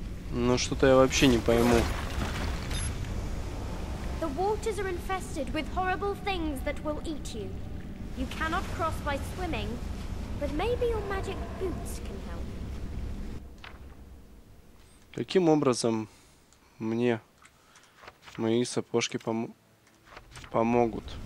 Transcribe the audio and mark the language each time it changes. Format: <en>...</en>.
<ru>Ну что-то я вообще не пойму.</ru> <en>Are infested with horrible things that will eat you. You cannot cross by swimming, but maybe your magic boots can help.</en> <ru>Каким образом мне мои сапожки помогут?</ru>